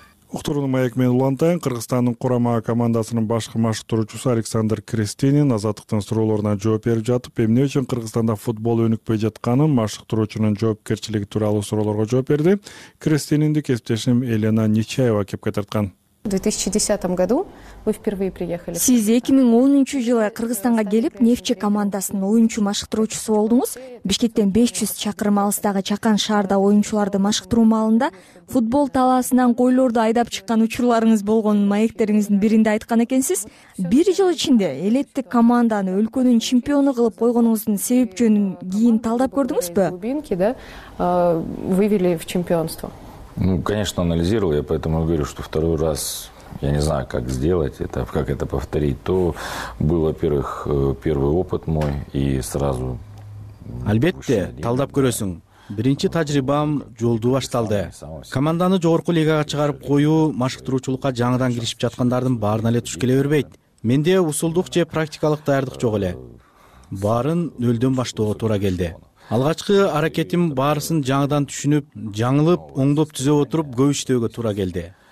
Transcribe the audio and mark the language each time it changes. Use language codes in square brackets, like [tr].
[ky] Уктурунун маек менен улантайын. Кыргызстандын курама командасынын башкы машыктуруучусу Александр Крестинин азаттыктын суроолоруна жооп берип жатып, эмне үчүн Кыргызстанда футбол өнүкпөй жатканын, машыктуруучунун жоопкерчилиги тууралуу суроолорго жооп берди. Крестининди кесиптешим Елена Нечаева кепке тарткан. [ru] В 2010 году вы впервые приехали. [ky] Сиз 2010 жылы Кыргызстанга келип, Нефтче командасынын оюнчу машыктыруучусу болдуңуз. Бишкектен 500 чакырым алыстагы Чакан шаарда оюнчуларды машыктыруу маалында футбол талаасынан койлорду айдап чыккан учурларыңыз болгонун маектериңиздин биринде айткан экенсиз. Бир жыл ичинде элеттик команданы өлкөнүн чемпиону кылып койгонуңуздун себеп жөнүн кийин талдап көрдүңүзбү? [ru] Вывели в чемпионство. Ну, конечно, анализировал, я поэтому говорю, что второй раз, я не знаю, как сделать это, как это повторить, то был, во-первых, первый опыт мой, и сразу... [ky] Албетте, талдап көрөсүң. Биринчи тажрыйбам жолду башталды. Команданы жогорку лигага чыгарып коюу машыктыруучулукка жаңыдан киришип жаткандардын баарына эле туш келе бербейт. Менде усулдук же практикалык даярдык жок эле. Баарын нөлдөн баштоого туура келди. Алгачкы аракетим баарысын жаңыдан түшүнүп, жаңылып, оңдоп түзөп отуруп көп иштөөгө туура келди.